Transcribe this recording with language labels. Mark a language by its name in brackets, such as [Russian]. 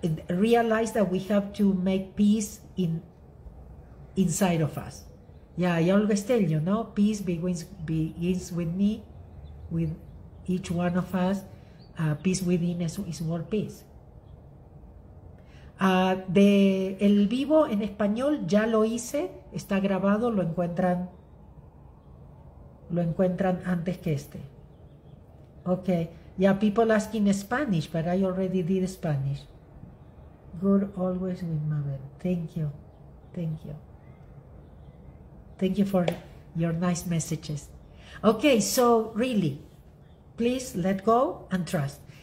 [English] Realize that we have to make peace inside of us. Yeah, I always tell you, no, peace begins with me, with each one of us. Peace within us is world peace. [Spanish] De el vivo en español ya lo hice, está grabado, lo encuentran antes que este. [English] Okay, yeah, people asking Spanish, but I already did Spanish. Good always with Mabel. Thank you for your nice messages. Okay, so really, please let go and trust.